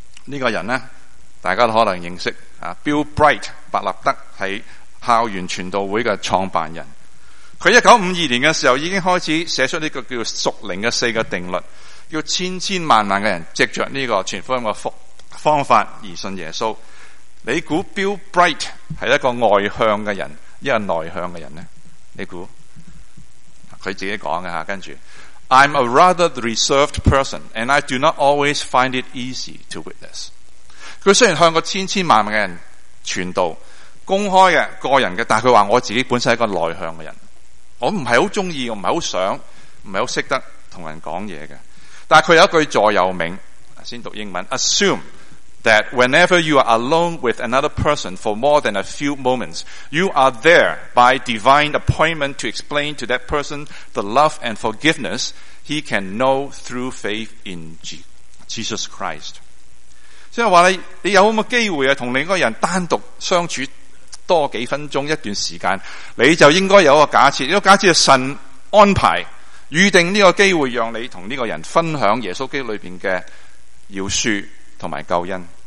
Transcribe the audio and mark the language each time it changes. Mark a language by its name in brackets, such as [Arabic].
[Cantonese] 这个人呢大家都可能认识、Bill Bright 伯立德是校园传道会的创办人。他1952年的时候已经开始写出这个叫属灵的四个定律，要千千万万的人藉着这个传福音的方法而信耶稣。你估 Bill Bright 是一个外向的人一个内向的人呢？你估他自己讲的，跟住 [English] I'm a rather reserved person and I do not always find it easy to witness。 [Cantonese] 他虽然向过千千万万的人传道公开的个人的，但他说我自己本身是一个内向的人，我不是很喜欢，我不是很想，不是很懂得跟人讲嘢嘅。 [English] 但他有一句座右铭， [Cantonese] 先读英文， [English] Assume that whenever you are alone with another person for more than a few moments, you are there by divine appointment to explain to that person the love and forgiveness he can know through faith in Jesus Christ. [Cantonese] 即是说你有没有机会跟另一个人单独相处多几分钟一段时间，你就应该有一个假设，这个假设是神安排预定这个机会让你跟这个人分享耶稣基督里面的饶恕和救恩。